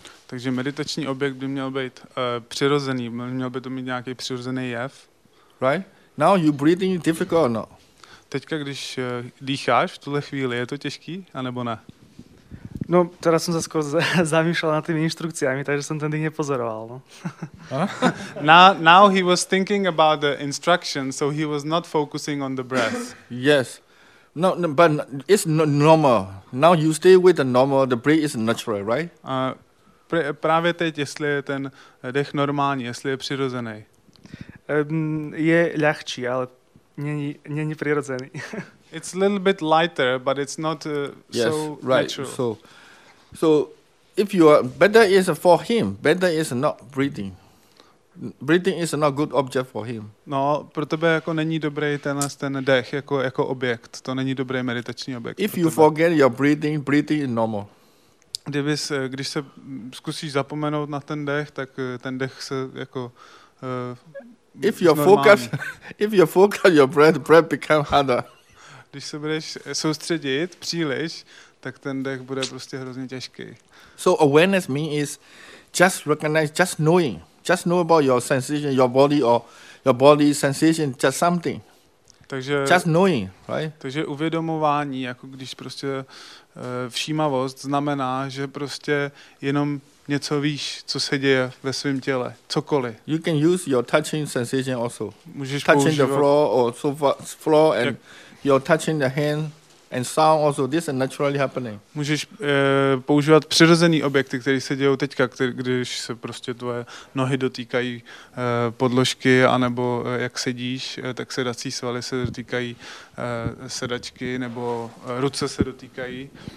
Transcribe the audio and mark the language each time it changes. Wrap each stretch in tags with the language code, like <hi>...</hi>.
<cs>Takže meditační objekt by měl být přirozený, měl by to mít nějaký přirozený jev.</cs> <en>Right? Now you breathing difficult or not?</en> <cs>Teďka, když dýcháš v tuhle chvíli, je to těžký, anebo ne? No, teda jsem se skoro zamýšlel nad těmi instrukcemi, takže jsem ten dých nepozoroval. No.</cs> <en>now he was thinking about the instructions, so he was not focusing on the breath. Yes. No, but it's normal. Now you stay with the normal, the breath is natural, right?</en> <cs>Právě teď, jestli je ten dech normální, jestli je přirozený. Je lehčí, ale není přirozený.</cs> <en>It's a little bit lighter, but it's not yes, so right. natural. So if you are better is for him, better is not breathing. Breathing is not good object for him.</en> <cs>No, pro tebe jako není dobrý ten dech jako objekt. To není dobrý meditační objekt.</cs> <en>If you forget your breathing, breathing is normal.</en> <cs>Když se zkusíš zapomenout na ten dech, tak ten dech se jako</cs> <en>if you focus your breath become harder.</en> <cs>Když se budeš soustředit příliš, tak ten dech bude prostě hrozně těžký.</cs> <en>So awareness means is just recognize, just knowing. Just know about your sensation, your body or your body sensation, just something.</en> <cs>Takže</cs> <en>just knowing, right?</en> <cs>Takže uvědomování, jako když prostě všímavost znamená, že prostě jenom něco víš, co se děje ve svém těle, cokoliv.</cs> <en>You can use your touching sensation also.</en> <cs>Můžeš</cs> <en>touching</en> <cs>používat</cs> <en>the floor or sofa floor and your touching the hand and sound also. This is naturally happening.</en> <cs>Můžeš používat přirozený objekty, které se dějou teďka, když se prostě tvoje nohy dotýkají podložky, anebo jak sedíš, tak sedací svaly se dotýkají sedačky, nebo ruce se dotýkají.</cs>